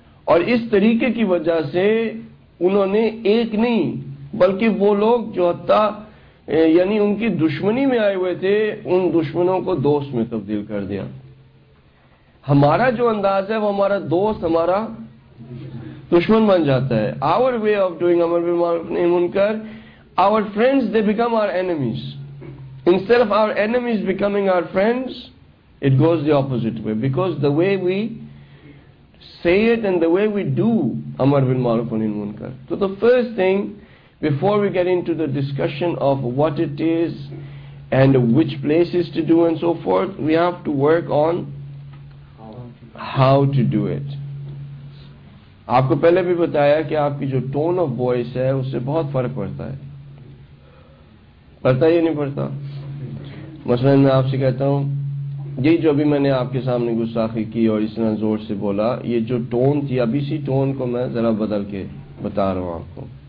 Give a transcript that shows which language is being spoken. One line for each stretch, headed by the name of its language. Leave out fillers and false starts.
Urdu: اور اس طریقے کی وجہ سے انہوں نے ایک نہیں بلکہ وہ لوگ جو حتیٰ یعنی ان کی دشمنی میں آئے ہوئے تھے ان دشمنوں کو دوست میں تبدیل کر دیا. ہمارا جو انداز ہے وہ ہمارا دوست ہمارا دشمن بن جاتا ہے.
English: Our way of doing امر بالمعروف نہی عن المنکر, our friends they become our enemies. Instead of our enemies becoming our friends, it goes the opposite way. Because the way we say it and the way we do امر بالمعروف نہی عن المنکر. So the first thing, before we get into the discussion of what it is and which places to do and so forth, we have to work on how to do it.
Urdu: آپ کو پہلے بھی بتایا کہ آپ کی جو
English: tone of voice
Urdu: ہے اس سے بہت فرق پڑتا ہے. پڑتا ہی نہیں پڑتا؟ مثلا میں آپ سے کہتا ہوں یہ جو ابھی میں نے آپ کے سامنے گستاخی کی اور اس طرح زور سے بولا, یہ جو ٹون تھی ابھی اسی ٹون کو میں ذرا بدل کے بتا رہا ہوں آپ کو.